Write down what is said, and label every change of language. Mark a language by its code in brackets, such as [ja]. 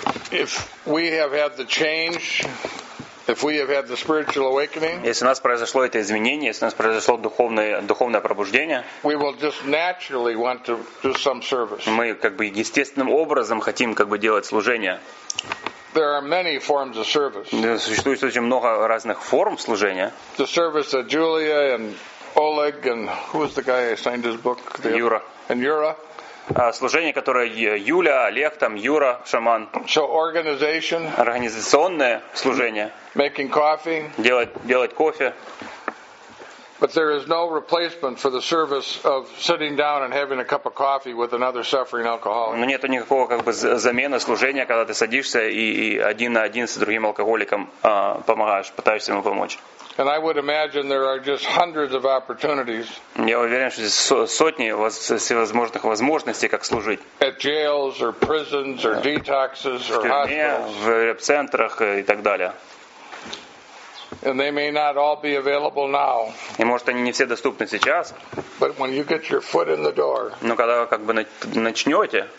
[en] If we have had the change, if we have had the spiritual awakening, [ru] если у нас произошло это изменение, если у нас произошло духовное пробуждение, [en] we will just naturally want to do some service. [ru] Мы как бы естественным образом хотим как бы делать служение. [en] There are many forms of service. [ru] Существует очень много разных форм служения. [en] The service that Julia and Oleg and who was the guy I signed his book? [ru] Юра. [en] And Юра. [ru] Служение, которое Юля, Олег, там Юра, шаман. [en] So organization. [ru] Организационное служение. [en] Making coffee. [ru] Делать кофе. [en] But there is no replacement for the service of sitting down and having a cup of coffee with another suffering alcoholic. [ru] Но нету никакого как бы замены служения, когда ты садишься и один на один с другим алкоголиком помогаешь, пытаешься ему помочь. [en] And I would imagine there are just hundreds of opportunities. [ru] Я уверен, что здесь сотни всевозможных возможностей, как служить. [en] At jails or prisons or detoxes or hospitals. [ru] В реабцентрах и так далее. [en] And they may not all be available now. [ru] И может они не все доступны сейчас. [en] But when you get your foot in the door. [ru] Но когда вы как бы начнете.